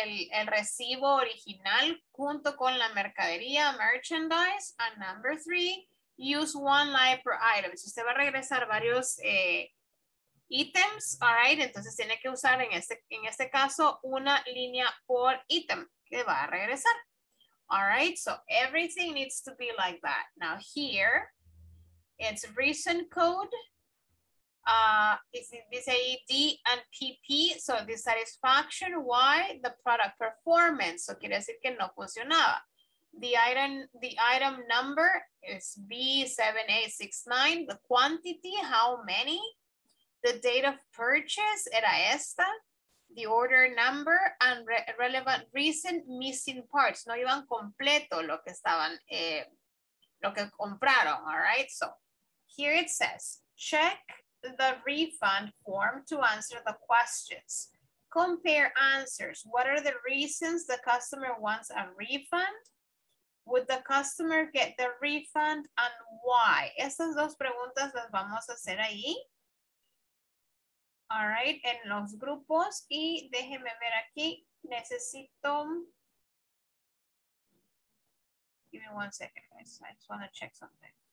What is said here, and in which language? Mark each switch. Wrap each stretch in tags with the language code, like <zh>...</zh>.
<es>El recibo original junto con la mercadería, merchandise.</es> <en>And number three, use one line per item.</en> <es>Si usted va a regresar varios ítems, all right, entonces tiene que usar en este caso una línea por ítem que va a regresar.</es> <en>All right, so everything needs to be like that. Now here, it's recent code. It's a D and PP, so dissatisfaction, why? The product performance,</en> <es>so quiere decir que no funcionaba.</es> <en>The item number is B7869, the quantity, how many? The date of purchase,</en> <es>era esta.</es> <en>The order number and relevant recent missing parts,</en> <es>no iban completo lo que estaban, lo que compraron,</es> <en>all right? So here it says, check the refund form to answer the questions. Compare answers. What are the reasons the customer wants a refund? Would the customer get the refund and why?</en> <es>Estas dos preguntas las vamos a hacer ahí. All right, en los grupos. Y déjenme ver aquí. Necesito.</es> <en>Give me one second, guys. I just want to check something.</en>